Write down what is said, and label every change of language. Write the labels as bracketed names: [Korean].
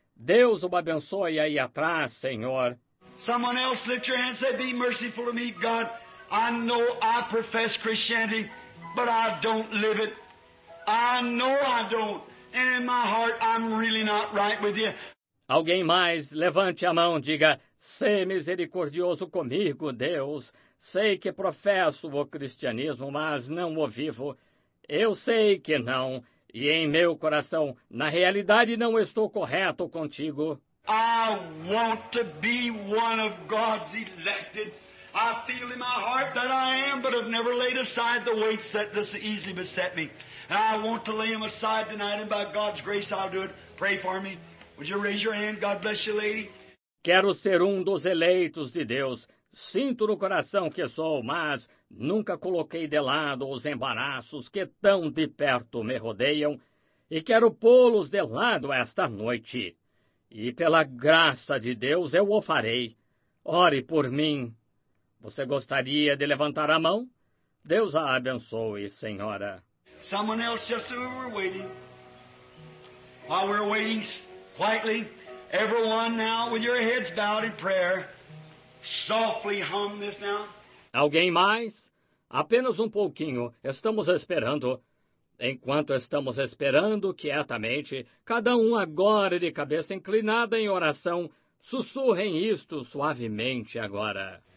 [Portuguese] Deus o abençoe aí atrás, Senhor. [English] Someone else lift your hand and say, be merciful to me, God. I know I profess Christianity, but I don't live it. I know I don't. And in my heart, I'm really not right with you. [Portuguese] Alguém mais, levante a mão, diga, sê misericordioso comigo, Deus. Sei que professo o cristianismo, mas não o vivo. Eu sei que não, e em meu coração, na realidade, não estou correto contigo. [English] I want to be one of God's elected. I feel in my heart that I am, but I've never laid aside the weights that this easily beset me. And I want to lay them aside tonight, and by God's grace I'll do it. Pray for me. Would you raise your hand? God bless you, lady. [Portuguese] Quero ser um dos eleitos de Deus. Sinto no coração que sou, mas nunca coloquei de lado os embaraços que tão de perto me rodeiam e quero pô-los de lado esta noite. E pela graça de Deus eu o farei. Ore por mim. Você gostaria de levantar a mão? Deus a abençoe, Senhora. [English] Someone else, just as we were waiting. While we're waiting. Quietly, everyone now with your heads bowed in prayer, softly hum this now. [Portuguese] Alguém mais? Apenas um pouquinho. Estamos esperando. Enquanto estamos esperando, quietamente, cada um agora de cabeça inclinada em oração, sussurrem isto suavemente agora.